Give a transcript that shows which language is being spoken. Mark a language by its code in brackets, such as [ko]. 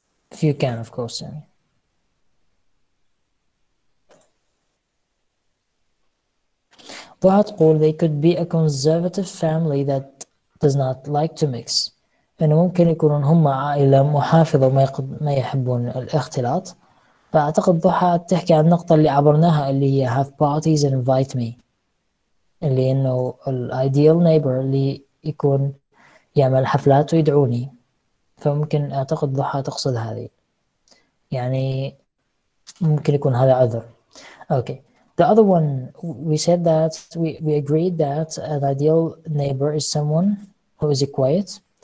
[en] If you can, of course, Sammy. [ar] تقول [en] they could be a conservative family that does not like to mix. [ar] إنه ممكن يكونون هم عائلة محافظة وما يحبون الاختلاط. فأعتقد ضحى تحكي عن النقطة اللي عبرناها اللي هي [en] have parties and invite me. [ar] اللي إنه الideal neighbor اللي يكون يعمل حفلات ويدعوني. فممكن أعتقد ضحى تقصد هذه. يعني ممكن يكون هذا عذر. Okay. [en] The other one, we said that, we agreed that an ideal neighbor is someone who is quiet.